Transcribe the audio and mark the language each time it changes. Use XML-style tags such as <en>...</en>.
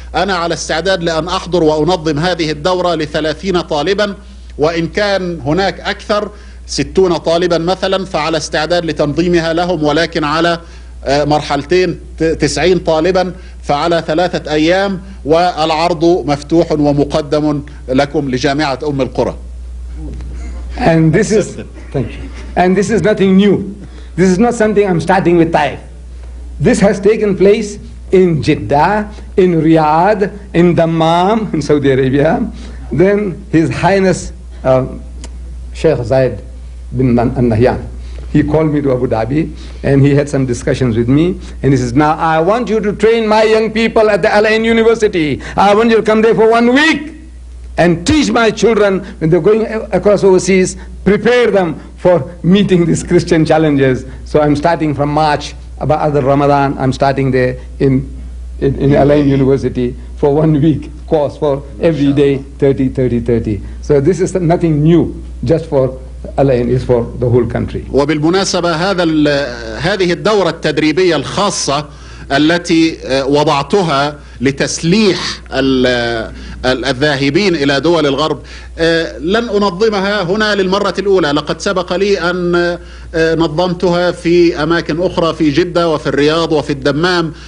<ar>أنا على استعداد لأن أحضر وأنظم هذه الدورة لـ30 طالبا، وإن كان هناك أكثر 60 طالبا مثلا فعلى استعداد لتنظيمها لهم، ولكن على مرحلتين 90 طالبا فعلى 3 أيام، والعرض مفتوح ومقدم لكم لجامعة أم القرى.</ar> <en>And this is, thank you. And this is nothing new. This is not something I'm starting with Taif. This has taken place in Jeddah, in Riyadh, in Dammam, in Saudi Arabia. Then His Highness Sheikh Zayed bin Nahyan, he called me to Abu Dhabi and he had some discussions with me. And he says, now I want you to train my young people at the Al Ain University. I want you to come there for 1 week and teach my children when they're going across overseas, prepare them for meeting these Christian challenges. So I'm starting from March, about other Ramadan, I'm starting there in Al Ain University for 1 week course for every day, 30, 30, 30. So this is nothing new, just for Al Ain, it's for the whole country.</en> <ar>وبالمناسبة هذه الدورة التدريبية الخاصة التي وضعتها لتسليح الذاهبين إلى دول الغرب لن أنظمها هنا للمرة الأولى، لقد سبق لي أن نظمتها في أماكن أخرى في جدة وفي الرياض وفي الدمام.</ar>